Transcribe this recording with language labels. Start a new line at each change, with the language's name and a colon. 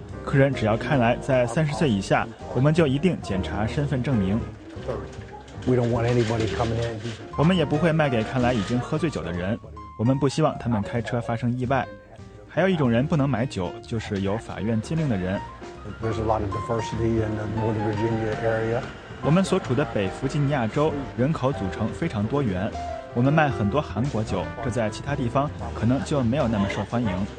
Chinese: 客人只要看来在30岁以下，我们就一定检查身份证明。
English: We don't want anybody coming in.
Chinese: 我们也不会卖给看来已经喝醉酒的人。我们不希望他们开车发生意外。还有一种人不能买酒，就是有法院禁令的人。
English: There's a lot of diversity in the Northern Virginia area.
Chinese: 我们所处的北弗吉尼亚州人口组成非常多元。我们卖很多韩国酒，这在其他地方可能就没有那么受欢迎。